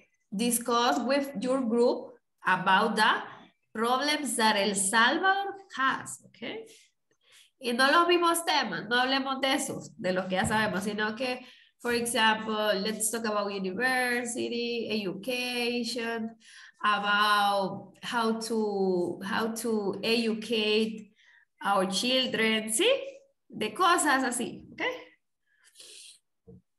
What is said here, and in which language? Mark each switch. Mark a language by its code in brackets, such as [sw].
[en] Discuss with your group about the problems that El Salvador has. Ok. [es] Y no los mismos temas, no hablemos de esos, de los que ya sabemos, sino que [en] For example, let's talk about university, education, about how to educate our children, ¿sí? [es] De cosas así, okay?